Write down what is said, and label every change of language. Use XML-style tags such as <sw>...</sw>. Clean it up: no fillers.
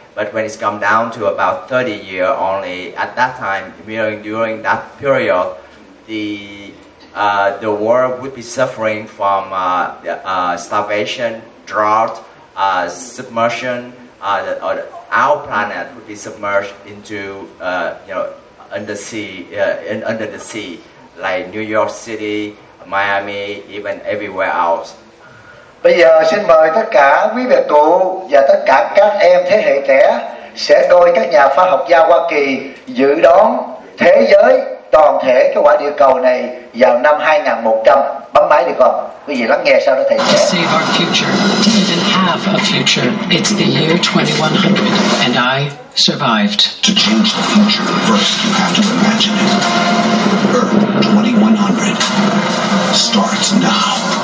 <en>But when it's come down to about 30 years only, at that time, meaning during that period, the world would be suffering from starvation, drought, submersion, our planet would be submerged into, under the sea, like New York City, Miami, even everywhere else.</en> <vi>Bây giờ xin mời tất cả quý bà cụ và tất cả các em thế hệ trẻ sẽ coi các nhà khoa học gia Hoa Kỳ dự đoán thế giới toàn thể cái quả địa cầu này vào năm 2100. Bấm máy được không? Quý vị lắng nghe sau đó thầy sẽ.</vi> <en>To save our future, to even have a future, it's the year 2100 and I survived. To change the future, first you have to imagine it. Earth 2100 starts now.</en>